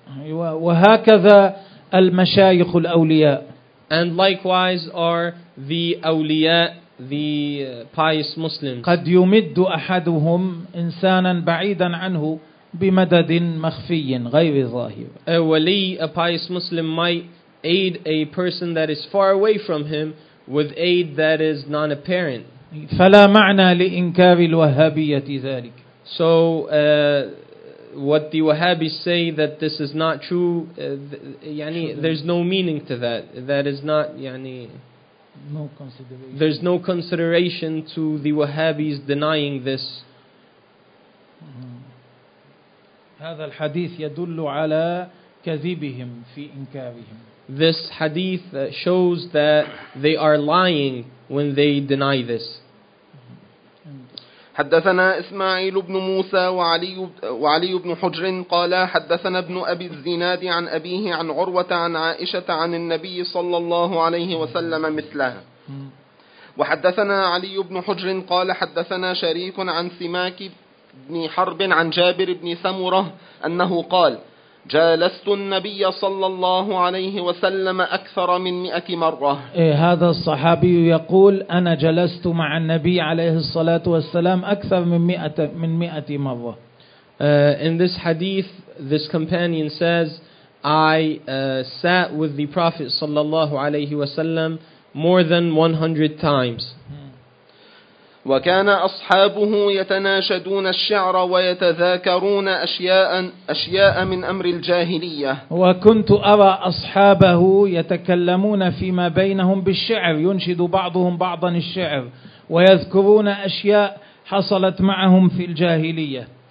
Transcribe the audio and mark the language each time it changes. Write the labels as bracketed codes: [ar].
[ar] وهكذا المشايخ الأولياء. [en] And likewise are the أولياء, the pious Muslims. [ar] قد يمد أحدهم إنسانا بعيدا عنه بمدد مخفي غير ظاهر. [en] A wali, a pious Muslim, might aid a person that is far away from him with aid that is non-apparent. [ar] فلا معنى لإنكار الوهابية ذلك. [en] So what the Wahhabis say that this is not true, [ar] يعني [en] there's no meaning to that. That is not, [ar] يعني [en] no consideration. There's no consideration to the Wahhabis denying this. [ar] هذا الحديث يدل على كذبهم في إنكارهم. [en] This hadith shows that they are lying when they deny this. [ar] حدثنا إسماعيل بن موسى وعلي بن حجر قال حدثنا ابن أبي الزناد عن أبيه عن عروة عن عائشة عن النبي صلى الله عليه وسلم مثلها. وحدثنا علي بن حجر قال حدثنا شريك عن سماك بن حرب عن جابر بن سمرة أنه قال جالست النبي صلى الله عليه وسلم أكثر من 100 مرة. هذا الصحابي يقول أنا جلست مع النبي عليه الصلاة والسلام أكثر من 100 مرة. [en] In this hadith, this companion says, I sat with the Prophet صلى الله عليه وسلم more than 100 times. [ar] وكان أصحابه يتناشدون الشعر ويتذاكرون أشياء من أمر الجاهلية. وكنت أرى أصحابه يتكلمون فيما بينهم بالشعر، ينشد بعضهم بعضا الشعر ويذكرون أشياء حصلت معهم في الجاهلية.